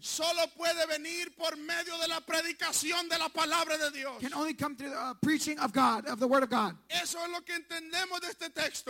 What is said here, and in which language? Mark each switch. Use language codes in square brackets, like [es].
[es] solo puede venir por medio de la predicación de la palabra de Dios. [en] Can only come through the preaching of God, of the word of God. [es] Eso es lo que entendemos de este texto.